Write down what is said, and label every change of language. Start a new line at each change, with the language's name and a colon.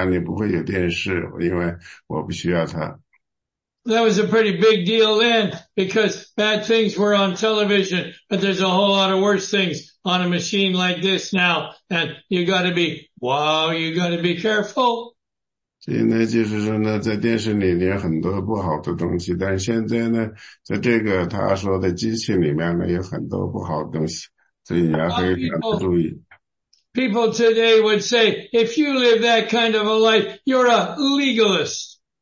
Chinese: 因为很多年前呢,我决定呢,我家里不会有电视,因为我不需要它。
English: That was a pretty big deal then, because bad things were on television, but there's a whole lot of worse things on a machine like this now, and you gotta be, wow, you gotta be careful.
Chinese: 所以呢,就是说呢,在电视里有很多不好的东西,但现在呢,在这个他说的机器里面呢,有很多不好的东西,所以你要非常注意。
English: People today would say, if you live that kind of a life, you're a legalist.